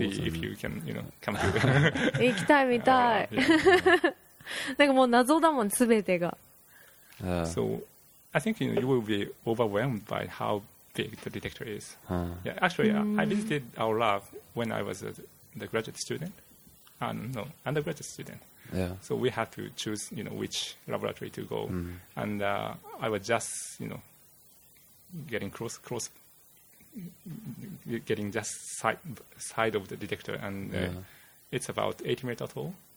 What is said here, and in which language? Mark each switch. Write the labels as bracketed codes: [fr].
[en] You will see if you can come to. [ja] 行きたい見たい。なんかもう謎だもん全てが。 [en] So I think you will be overwhelmed by how big the detector is. Yeah, actually, I visited our lab when I was the graduate student. Undergraduate student. Yeah. So we had to choose, which laboratory to go. And I was just, getting getting just side of the detector, and it's about 80 meters tall.